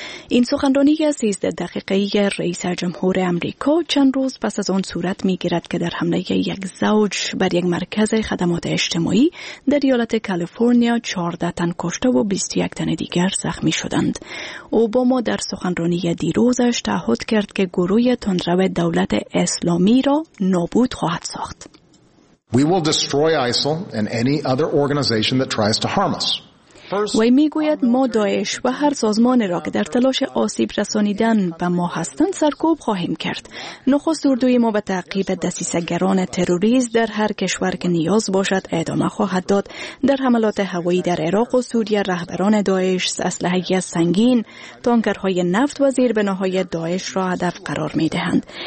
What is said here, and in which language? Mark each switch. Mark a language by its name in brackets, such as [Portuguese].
[Persian] این سخنرانی 13 دقیقه‌ای رئیس جمهور آمریکا چند روز پس از آن صورت می‌گیرد که در حمله یک زوج بر یک مرکز خدمات اجتماعی در ایالت کالیفرنیا 14 تن کشته و 21 تن دیگر زخمی شدند. اوباما در سخنرانی دیروزش تعهد کرد که گروه تندرو دولت اسلامی را نابود خواهد ساخت. [English] We will destroy ISIL and any other organization that tries to harm us. [Persian] وی میگوید ما داعش و هر سازمانی را که در تلاش آسیب رسانیدن به ما هستند سرکوب خواهیم کرد. نخست اردوی ما به تعقیب دسیسه‌گران تروریست در هر کشور که نیاز باشد ادامه خواهد داد. در حملات هوایی در عراق و سوریه رهبران داعش اسلحه‌های سنگین، تانکرهای نفت و زیربناهای داعش را هدف قرار می‌دهند.